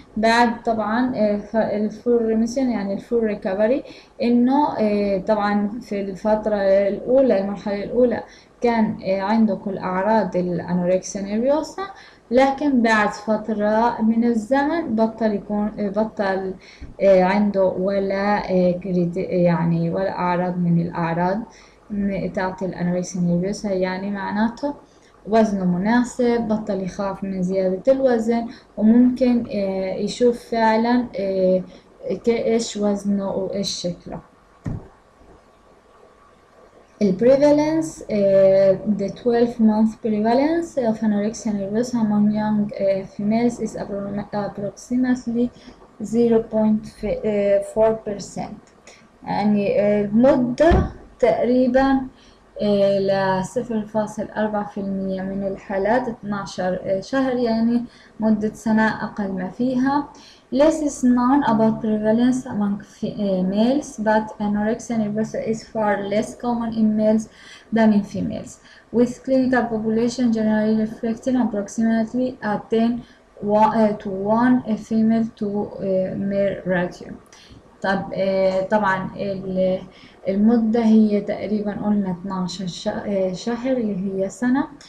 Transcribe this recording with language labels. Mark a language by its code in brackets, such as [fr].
[ar] بعد طبعا ال [en] full remission [ar] يعني ال [en] full recovery، [ar] إنه طبعا في الفترة الأولى، المرحلة الأولى كان عنده كل أعراض الأنوركسيا نيرفيوسا، لكن بعد فترة من الزمن بطل يكون بطل عنده ولا يعني ولا أعراض من الأعراض بتاعت الأنوركسيا نيرفيوسا. يعني معناته وزنه مناسب، بطل يخاف من زيادة الوزن، وممكن يشوف فعلا كإيش وزنه وإيش شكله. [en] The prevalence, the 12-month prevalence of anorexia nervosa among young females is approximately 0.4%. [ar] يعني المدة تقريبا ل 0.4% من الحالات، 12 شهر، يعني مدة سنة أقل ما فيها. [en] Less is known about prevalence among males, but anorexia nervosa is far less common in males than in females, with clinical population generally reflecting approximately a 10 to 1 female to male ratio. [ar] طب طبعا المدة هي تقريبا قلنا 12 شهر اللي هي سنة.